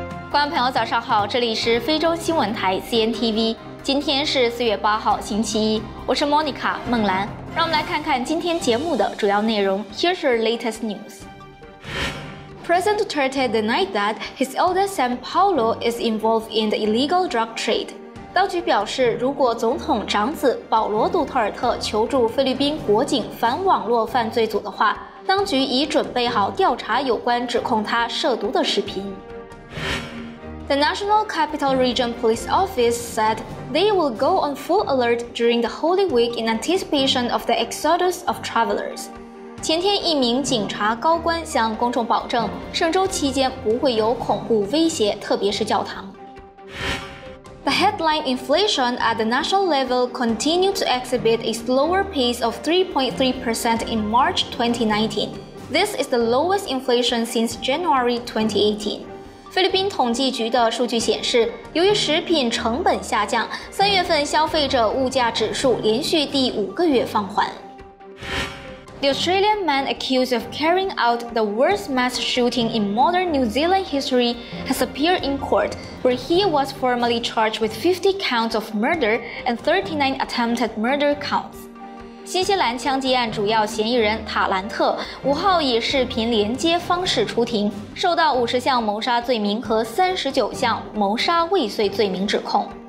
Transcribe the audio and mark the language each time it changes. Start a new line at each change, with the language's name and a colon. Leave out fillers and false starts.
Chinese: 观众朋友早上好，这里是菲中新闻台 CNTV， 今天是4月8号星期一，我是 Monica 孟兰，让我们来看看今天节目的主要内容。
English: Here's your latest news. President Duterte denied that his eldest son Paolo is involved in the illegal drug trade.
Chinese: 当局表示，如果总统长子保罗杜特尔特求助菲律宾国警反网络犯罪组的话，当局已准备好调查有关指控他涉毒的视频。
English: The National Capital Region Police Office said they will go on full alert during the Holy Week in anticipation of the exodus of travelers.
Chinese: 前天一名警察高官向公众保证，圣周期间不会有恐怖威胁，特别是教堂。
English: The headline inflation at the national level continued to exhibit a slower pace of 3.3% in March 2019. This is the lowest inflation since January 2018.
Chinese: 菲律宾统计局的数据显示，由于食品成本下降，三月份消费者物价指数连续第五个月放缓。
English: The Australian man accused of carrying out the worst mass shooting in modern New Zealand history has appeared in court, where he was formally charged with 50 counts of murder and 39 attempted murder counts.
Chinese: 新西兰枪击案主要嫌疑人塔兰特5号以视频连接方式出庭，受到50项谋杀罪名和39项谋杀未遂罪名指控。